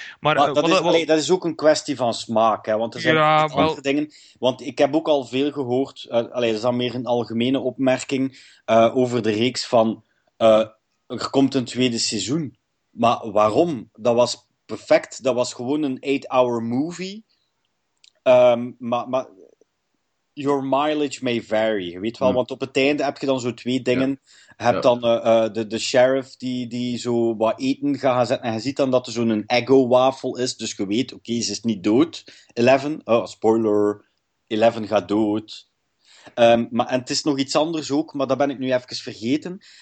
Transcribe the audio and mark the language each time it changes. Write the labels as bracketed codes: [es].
[nl] Dat is ook een kwestie van smaak. Hè? Want er zijn andere dingen. Want ik heb ook al veel gehoord... dat is dan meer een algemene opmerking... over de reeks van... er komt een tweede seizoen. Maar waarom? Dat was perfect. Dat was gewoon een 8-hour movie. [en] Maar your mileage may vary. [nl] Je weet wel, want op het einde heb je dan zo twee dingen... Ja. Heb dan de sheriff die zo wat eten gaat zetten. En je ziet dan dat er zo'n ego-wafel is. Dus je weet, oké, ze is niet dood. Eleven, spoiler, Eleven gaat dood. En het is nog iets anders ook, maar dat ben ik nu even vergeten.